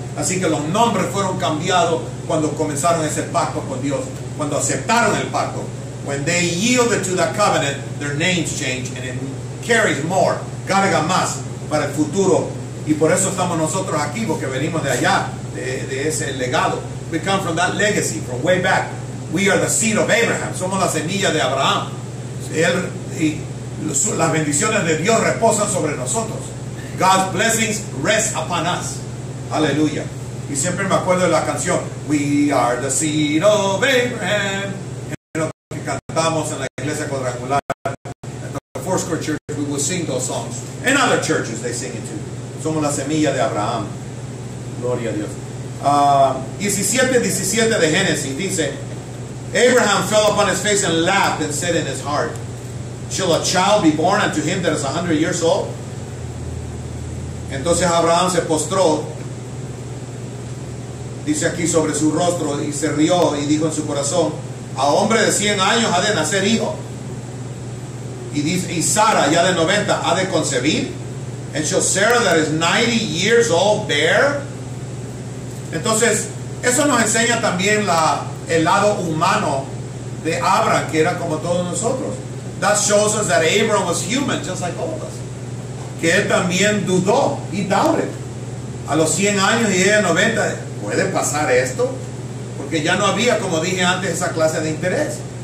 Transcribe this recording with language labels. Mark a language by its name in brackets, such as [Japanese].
[Spanish] Así que los nombres fueron cambiados cuando comenzaron ese pacto con Dios, cuando aceptaron el pacto. [English] When they yielded to that covenant, their names changed and it carries more, [Spanish] carga más para el futuro. Y por eso estamos nosotros aquí, porque venimos de allá, de ese legado. [English] We come from that legacy, from way back. We are the seed of Abraham. [Spanish] Somos la semilla de Abraham. Las bendiciones de Dios reposan sobre nosotros. [English] God's blessings rest upon us. [Spanish] Aleluya. Y siempre me acuerdo de la canción, [English] We are the seed of Abraham, [Spanish] que cantamos en la iglesia cuadrangular. [English] At the Four Square Church, we will sing those songs. In other churches, they sing it too. [Spanish] Somos la semilla de Abraham. Gloria a Dios. 17:17 de Génesis dice, [English] Abraham fell upon his face and laughed and said in his heart, shall a child be born unto him that is 100 years old? [Spanish] Entonces Abraham se postró, dice aquí, sobre su rostro, y se rió y dijo en su corazón, a hombre de 100 años ha de nacer hijo. Y dice, y Sara, ya de 90, ha de concebir. [English] And shall Sarah, that is 90 years old, bear? [Spanish] Entonces, eso nos enseña también el lado humano de Abraham, que era como todos nosotros. [English] That shows us that Abraham was human, just like all of us. [Spanish] Que él también dudó y doubted. A los 100 años y ella 90, ¿puede pasar esto? Porque ya no había, como dije antes, esa clase de interés.